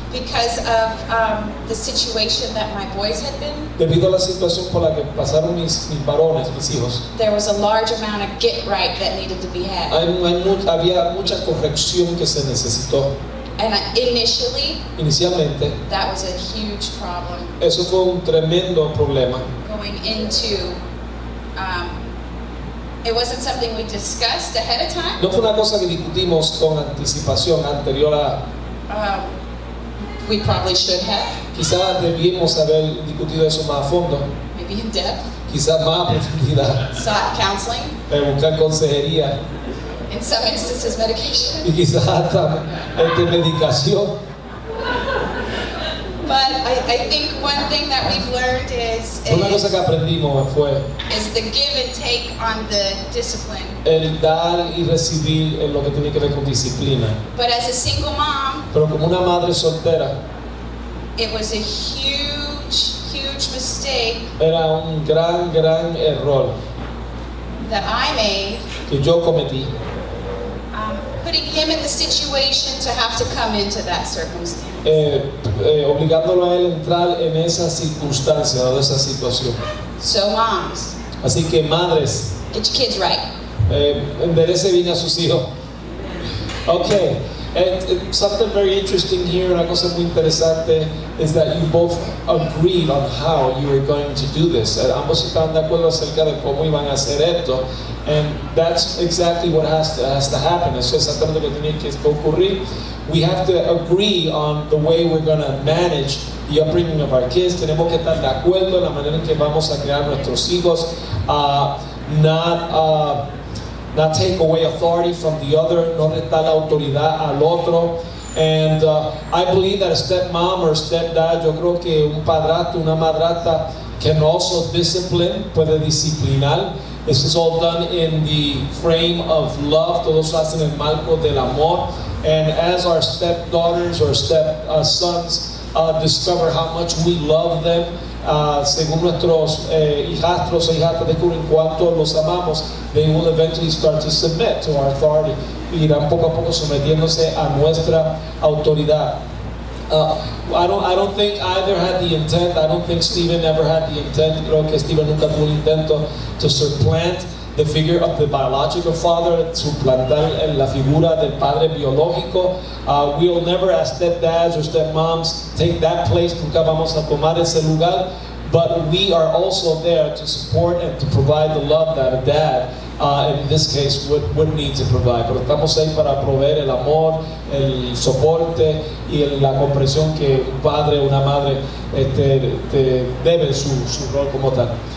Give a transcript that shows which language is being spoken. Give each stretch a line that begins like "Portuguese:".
English: Because of the situation that my boys had been.
Spanish: Debido a la situación por la que pasaron mis varones, mis hijos.
English: There was a large amount of get right that needed to be had.
Spanish: Había mucha corrección que se necesitó.
English: And initially,
Spanish: inicialmente,
English: that was a huge problem.
Spanish: Eso fue un tremendo problema.
English: Going into, it wasn't something we discussed ahead of time.
Spanish: No fue una cosa que discutimos con anticipación anterior a.
English: We probably should have.
Spanish: Quizá debimos haber discutido eso más a fondo.
English: Maybe in depth.
Spanish: Quizá más a profundidad.
English: Sought counseling.
Spanish: Para buscar consejería.
English: In some instances, medication.
Spanish: Y quizá hasta medicación.
English: But I think one thing that we've learned is.
Spanish: Una cosa que aprendimos fue.
English: Is the give and take on the discipline.
Spanish: El dar y recibir en lo que tiene que ver con disciplina.
English: But as a single mom.
Spanish: Pero como una madre soltera.
English: It was a huge, huge mistake.
Spanish: Era un gran, gran error.
English: That I made.
Spanish: Que yo cometí.
English: Putting him in the situation to have to come into that circumstance.
Spanish: Obligándolo a él a entrar en esa circunstancia o esa situación.
English: So moms.
Spanish: Así que madres.
English: Get your kids right.
Spanish: Enderece bien a sus hijos. Okay.
English: And something very interesting here,
Spanish: una cosa muy interesante,
English: is that you both agreed on how you were going to do this.
Spanish: Ambos estaban de acuerdo acerca de cómo iban a hacer esto.
English: And that's exactly what has to happen.
Spanish: Eso es exactamente lo que tiene que ocurrir.
English: We have to agree on the way we're going to manage the upbringing of our kids.
Spanish: Tenemos que estar de acuerdo en la manera en que vamos a criar nuestros hijos.
English: Not take away authority from the other,
Spanish: no restar la autoridad al otro.
English: And I believe that a stepmom or a stepdad,
Spanish: yo creo que un padrastro, una madrastra,
English: can also discipline,
Spanish: puede disciplinar.
English: This is all done in the frame of love,
Spanish: todo se hace en el marco del amor.
English: And as our stepdaughters or stepsons discover how much we love them,
Spanish: según nuestros hijastros e hijastras descubren cuánto los amamos,
English: they will eventually start to submit to our authority.
Spanish: Irán poco a poco sometiéndose a nuestra autoridad.
English: I don't think either had the intent. I don't think Stephen ever had the intent.
Spanish: Creo que Stephen nunca tuvo un intento
English: to supplant the figure of the biological father,
Spanish: suplantar la figura del padre biológico.
English: We'll never, as stepdads or stepmoms, take that place.
Spanish: Nunca vamos a tomar ese lugar.
English: But we are also there to support and to provide the love that a dad, in this case, would need to provide.
Spanish: Pero estamos ahí para proveer el amor, el soporte y la comprensión que un padre o una madre te debe su rol como tal.